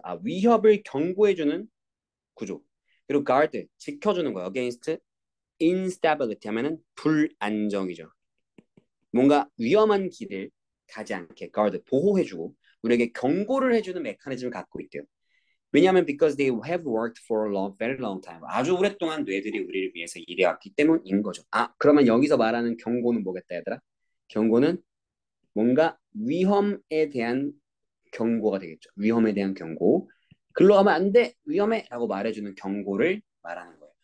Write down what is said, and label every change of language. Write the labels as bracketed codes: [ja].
[ko] 아, 위협을 경고해주는 구조. 그리고 guard. 지켜주는 거. [en] Against instability [ko] 하면은 불안정이죠. 뭔가 위험한 길을 가지 않게 guard. 보호해주고. 우리에게 경고를 해주는 메커니즘을 갖고 있대요. 왜냐하면 [en] because they have worked for a long, very long time. [ko] 아주 오랫동안 뇌들이 우리를 위해서 일해왔기 때문인 거죠. 아, 그러면 여기서 말하는 경고는 뭐겠다, 얘들아? 경고는 뭔가 위험에 대한 경고가 되겠죠. 위험에 대한 경고. 글로 가면 안 돼, 위험해! 라고 말해주는 경고를 말하는 거예요.